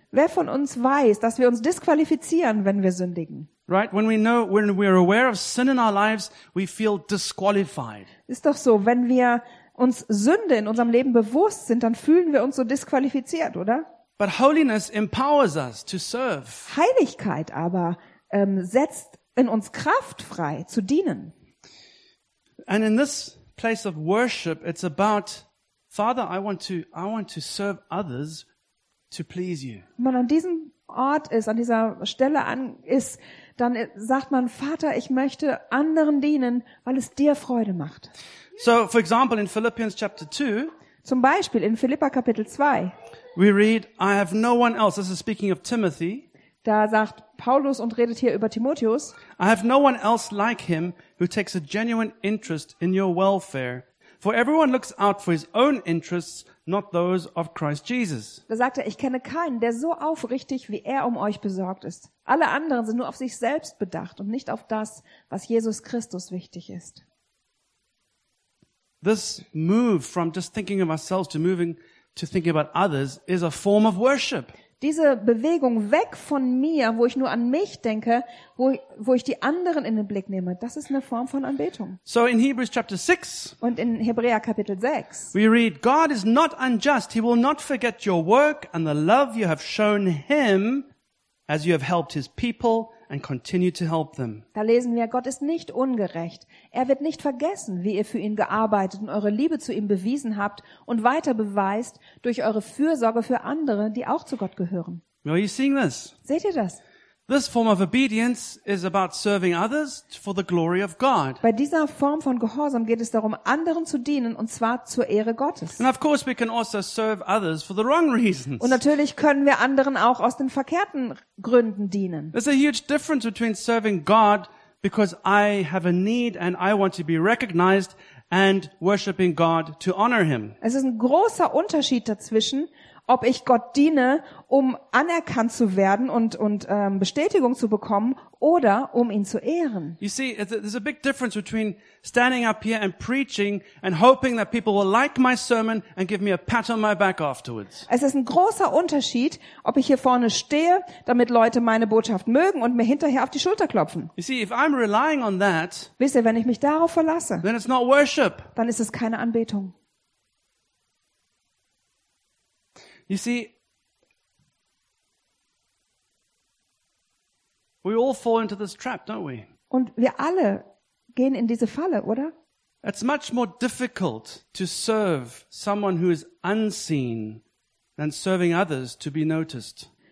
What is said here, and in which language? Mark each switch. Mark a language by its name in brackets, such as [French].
[German] Wer von uns weiß, dass wir uns disqualifizieren, wenn wir sündigen? [English] Right, when we are aware of sin in our lives, we feel disqualified. [German] Ist doch so, wenn wir uns Sünde in unserem Leben bewusst sind, dann fühlen wir uns so disqualifiziert, oder? [English] But holiness empowers us to serve. [German] Heiligkeit aber setzt in uns Kraft frei, zu dienen. [English] And in this place of worship, it's about Father, I want to serve others. To please you. [German] Wenn man an diesem Ort ist, an dieser Stelle ist, dann sagt man, Vater, ich möchte anderen dienen, weil es dir Freude macht. [English] So, for example, in Philippians chapter 2, [German] zum Beispiel in Philippa Kapitel 2, [English] we read, I have no one else. This is speaking of Timothy. [German] Da sagt Paulus und redet hier über Timotheus. [English] I have no one else like him who takes a genuine interest in your welfare. For everyone looks out for his own interests, not those of Christ Jesus. [German] Da sagt er, ich kenne keinen, der so aufrichtig wie er um euch besorgt ist. Alle anderen sind nur auf sich selbst bedacht und nicht auf das, was Jesus Christus wichtig ist. [English] This move from just thinking of ourselves to moving to thinking about others is a form of worship. [German] Diese Bewegung weg von mir, wo ich nur an mich denke, wo ich die anderen in den Blick nehme, das ist eine Form von Anbetung. [English] So in Hebrews chapter 6, [German] und in Hebräer Kapitel 6, [English] we read, God is not unjust. He will not forget your work and the love you have shown him as you have helped his people and continue to help them. [German] Da lesen wir, Gott ist nicht ungerecht. Er wird nicht vergessen, wie ihr für ihn gearbeitet und eure Liebe zu ihm bewiesen habt und weiter beweist durch eure Fürsorge für andere, die auch zu Gott gehören. [English] Are you seeing this? [German] Seht ihr das? [English] This form of obedience is about serving others for the glory of God. [German] Bei dieser Form von Gehorsam geht es darum, anderen zu dienen, und zwar zur Ehre Gottes. [English] And of course we can also serve others for the wrong reasons. [German] Und natürlich können wir anderen auch aus den verkehrten Gründen dienen. [English] There's a huge difference between serving God because I have a need and I want to be recognized and worshiping God to honor him. [German] Es ist ein großer Unterschied dazwischen, ob ich Gott diene, um anerkannt zu werden und Bestätigung zu bekommen oder um ihn zu ehren. [English] You see, there's a big difference between standing up here and preaching and hoping that people will like my sermon and give me a pat on my back afterwards. [German] Es ist ein großer Unterschied, ob ich hier vorne stehe, damit Leute meine Botschaft mögen und mir hinterher auf die Schulter klopfen. [English] You see, if I'm relying on that, [German] wisst ihr, wenn ich mich darauf verlasse, [English] then it's not worship. [German] Dann ist es keine Anbetung. [English] You see, we all fall into this trap, don't we? [German] Und wir alle gehen in diese Falle, oder? [English] It's much more difficult to serve someone who is unseen than serving others to be noticed.